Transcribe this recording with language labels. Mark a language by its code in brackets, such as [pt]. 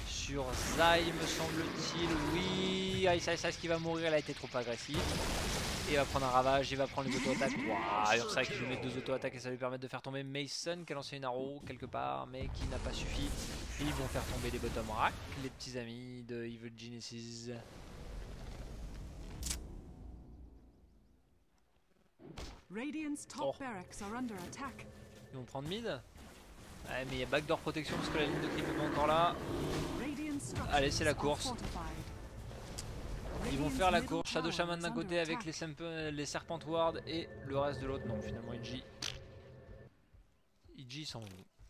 [fr] sur Zai, me semble-t-il. Oui, Ice qui va mourir, elle a été trop agressive. Il va prendre un ravage, il va prendre les auto-attaques. Waouh, Ursa qui lui met deux auto-attaques et ça lui permet de faire tomber Mason qui a lancé une arrow quelque part, mais qui n'a pas suffi. Ils vont faire tomber les bottom rack, les petits amis de Evil Genesis. [en] Radiant's top barracks are under attack. [fr] Ils vont prendre mid. Ouais, mais il y a backdoor protection parce que la ligne de creep est pas encore là. Allez, c'est la course. Ils vont faire la course, Shadow Shaman d'un côté avec les Serpent Ward et le reste de l'autre. Non, finalement, IG s'en fout.